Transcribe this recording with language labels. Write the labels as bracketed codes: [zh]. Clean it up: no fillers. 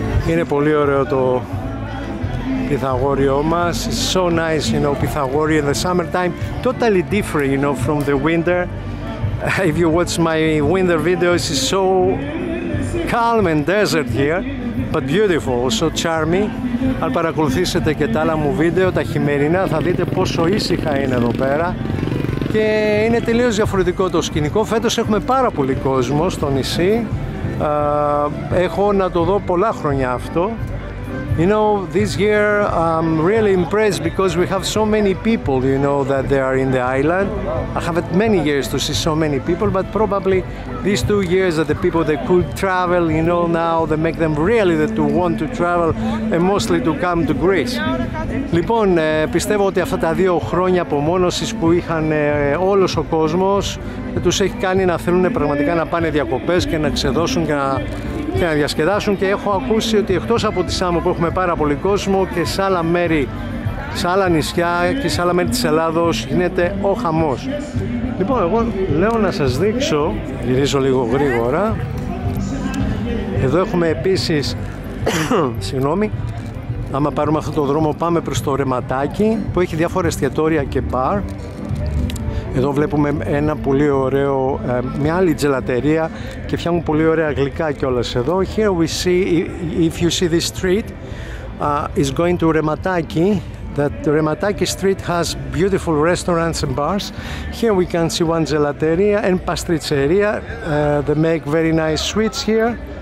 [el] Είναι πολύ ωραίο το Πυθαγόριο μας. [en] It's so nice, you know, Πυθαγόριο in the summertime. Totally different, you know, from the winter. If you watch my winter videos, it's so calm and desert here, but beautiful, so charming. [el] Αν παρακολουθήσετε και τα άλλα μου βίντεο, τα χειμερινά, θα δείτε πόσο ήσυχα είναι εδώ πέρα. Και είναι τελείως διαφορετικό το σκηνικό. Φέτος έχουμε πάρα πολύ κόσμο στο νησί. Έχω να το δω πολλά χρόνια αυτό. [en] You know, this year I'm really impressed because we have so many people, you know, that they are in the island. I haven't many years to see so many people, but probably these 2 years that the people they could travel, you know, now they make them really that to want to travel and mostly to come to Greece. [el] Λοιπόν, πιστεύω ότι αυτά τα 2 χρόνια απομόνωσης που είχαν όλος ο κόσμος τους έχει κάνει να θέλουν πραγματικά να πάνε διακοπές και να ξεδώσουν και να και να διασκεδάσουν, και έχω ακούσει ότι εκτός από τη Σάμο που έχουμε πάρα πολύ κόσμο και σε άλλα μέρη, σε άλλα νησιά και σε άλλα μέρη της Ελλάδος γίνεται ο χαμός. Λοιπόν, εγώ λέω να σας δείξω, γυρίζω λίγο γρήγορα. Εδώ έχουμε επίσης, συγγνώμη, άμα πάρουμε αυτό το δρόμο πάμε προς το Ρεματάκι που έχει διάφορα εστιατόρια και μπαρ. Εδώ βλέπουμε ένα πολύ ωραίο, μια άλλη τζελατερία και φτιάχνουν πολύ ωραία γλυκά κιόλας εδώ. [en] Here we see, if you see this street, is going to Rematakis. That Rematakis street has beautiful restaurants and bars. Here we can see one gelateria and pastriceria. They make very nice sweets here.